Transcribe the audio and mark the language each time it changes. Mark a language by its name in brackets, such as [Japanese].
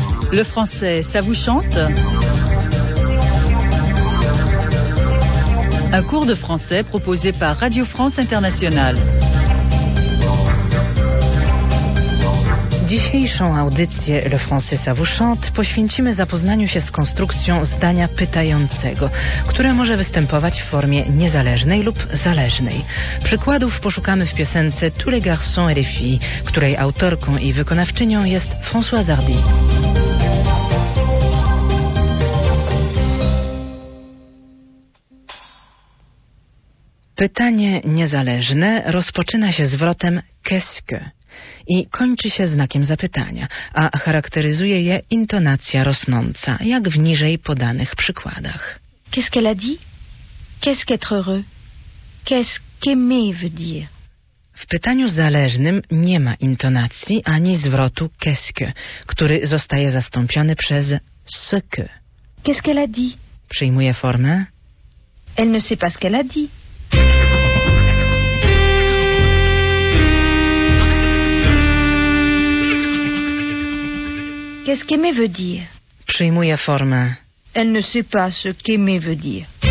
[French] Le français, ça vous chante? Un cours de français proposé par Radio France Internationale. [Polish] Dzisiejszą audycję Le Français ça vous chante poświęcimy zapoznaniu się z konstrukcją zdania pytającego, które może występować w formie niezależnej lub zależnej. Przykładów poszukamy w piosence Tous les garçons et les filles, której autorką i wykonawczynią jest Françoise Hardy. Pytanie niezależne rozpoczyna się zwrotem qu'est-ce que? I kończy się znakiem zapytania, a charakteryzuje je intonacja rosnąca, jak w niżej podanych przykładach. [French] Qu'est-ce qu'elle a dit? Qu'est-ce qu'être heureux? Qu'est-ce qu'aimer veut dire? [Polish] W pytaniu zależnym nie ma intonacji ani zwrotu qu'est-ce que, który zostaje zastąpiony przez ce que. [French] Qu'est-ce qu'elle a dit? [Polish] Przyjmuje formę. [French] Elle ne sait pas ce qu'elle a dit. Qu'est-ce qu'aimer veut dire? [Polish] Przyjmuje formę. [French] Elle ne sait pas ce qu'aimer veut dire.